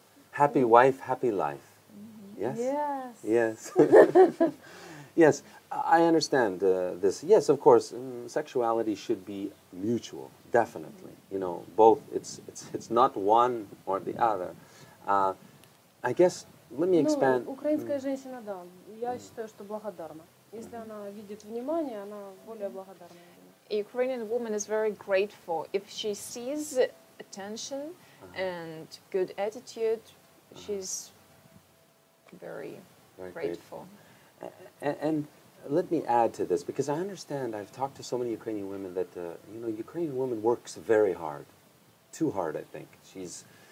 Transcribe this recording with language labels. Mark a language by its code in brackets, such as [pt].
[en] happy mm-hmm. wife, happy life. Mm-hmm. Yes? Yes. Yes. Yes. I understand this. Yes, of course, sexuality should be mutual, definitely. Mm-hmm. You know, both it's not one or the other. I guess let me expand. [ru] Ну, украинская женщина, да. Я считаю, что благодарна. Если она видит внимание, она более благодарна. [en] A Ukrainian woman is very grateful. If she sees attention and good attitude, she's very grateful. And let me add to this, because I understand, I've talked to so many Ukrainian women that, you know, Ukrainian woman works very hard. Too hard, I think. She's...